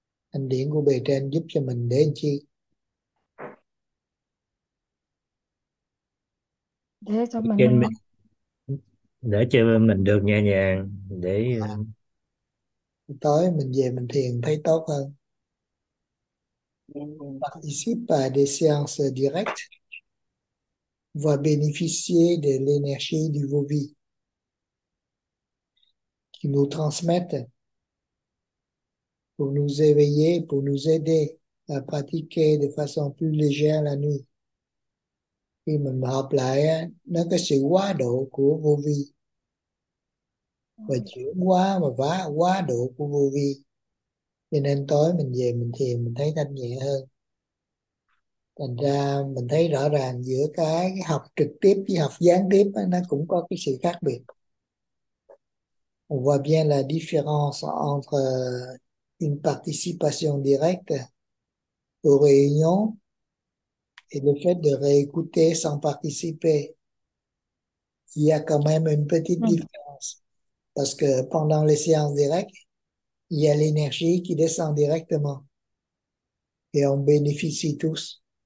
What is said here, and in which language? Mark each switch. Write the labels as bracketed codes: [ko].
[vi] Ân điển của bề trên giúp cho mình để làm chi? Để cho Trên mình mình để cho mình được nhẹ nhàng, để tối mình về mình thiền thấy tốt hơn. [fr] Participer des séances directes va bénéficier de l'énergie du vos vies qui nous transmettent pour nous éveiller, pour nous aider à pratiquer de façon plus légère la nuit. [vi] Khi mình hợp lại, nó có sự quá độ của vô vi và chuyển hóa và vá quá độ của vô vi. Cho nên tối mình về mình thiền mình thấy thanh nhẹ hơn. Thành ra mình thấy rõ ràng giữa cái học trực tiếp với học gián tiếp nó cũng có cái sự khác biệt. [fr] On voit bien la différence entre une participation directe aux réunions et le fait de réécouter sans participer. Il y a quand même une petite différence parce que pendant les séances directes, il y a l'énergie qui descend directement et on bénéficie tous.